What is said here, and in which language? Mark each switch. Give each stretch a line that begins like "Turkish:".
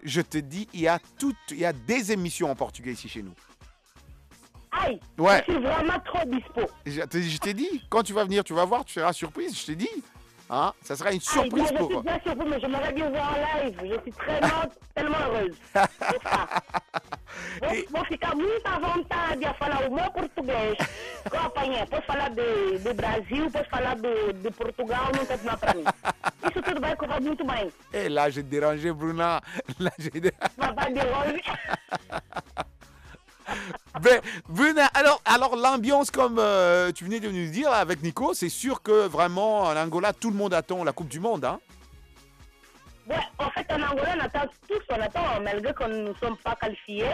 French: Je te dis, il y a des émissions en portugais ici chez nous. Aïe, ouais. Je suis vraiment trop dispo. Je t'ai dit, quand tu vas venir, tu vas voir, tu seras surprise, je t'ai dit. Hein, ça sera une surprise. Aïe, ben, pour moi. Je suis bien sur vous, mais j'aimerais bien voir en live. Je suis très tellement heureuse. C'est ça.
Portuguese: Vou ficar muito à vontade à falar o meu português. Companhia, posso falar de Brasil, posso falar de Portugal, não tem problema para mim. Isso tudo vai correr muito bem.
French: Et là, je dérangeais Bruna. Là, je dérangeais. Bruna, alors l'ambiance, comme tu venais de nous dire avec Nico, c'est sûr que vraiment en Angola, tout le monde attend la Coupe du Monde. Hein. Ouais, en fait, en Angola, on attend tous, on attend, malgré que nous ne sommes pas qualifiés.